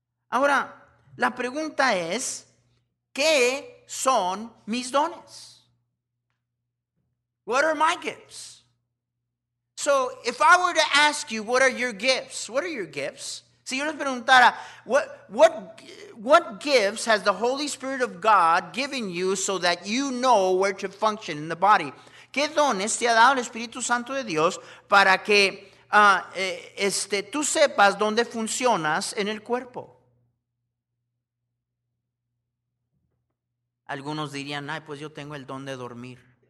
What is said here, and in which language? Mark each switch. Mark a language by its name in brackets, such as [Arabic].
[Spanish] Ahora, la pregunta es, ¿qué son mis dones? [English] What are my gifts? So if I were to ask you, what are your gifts? What are your gifts? [Spanish] Si yo les preguntara, [English] what gifts has the Holy Spirit of God given you so that you know where to function in the body? [Spanish] ¿Qué dones te ha dado el Espíritu Santo de Dios para que tú sepas dónde funcionas en el cuerpo? Algunos dirían, ay, pues yo tengo el don de dormir.